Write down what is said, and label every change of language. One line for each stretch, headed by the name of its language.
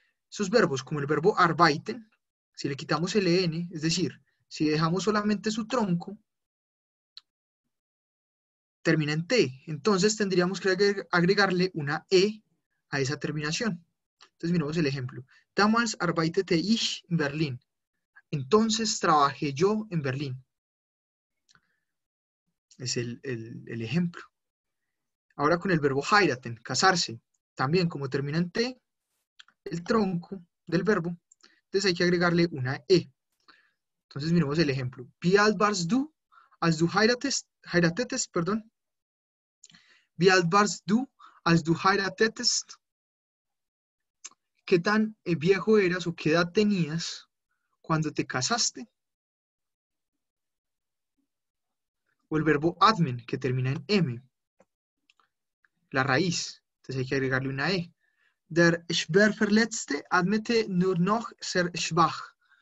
Spanish: Esos verbos, como el verbo arbeiten, si le quitamos el EN, es decir, si dejamos solamente su tronco, termina en T. Entonces tendríamos que agregarle una E a esa terminación. Entonces miremos el ejemplo.
German: Damals arbeitete ich in Berlin.
Spanish: Entonces trabajé yo en Berlín. Es el ejemplo. Ahora con el verbo heiraten, casarse. También como termina en T, el tronco del verbo. Entonces hay que agregarle una E. Entonces miremos el ejemplo.
German: Wie alt warst du, als du heiratetest, perdón. Wie alt warst du, als du heiratetest.
Spanish: ¿Qué tan viejo eras o qué edad tenías cuando te casaste? O el verbo admen, que termina en M. La raíz. Entonces hay que agregarle una E.
German: Der Schwerverletzte atmete nur noch sehr schwach.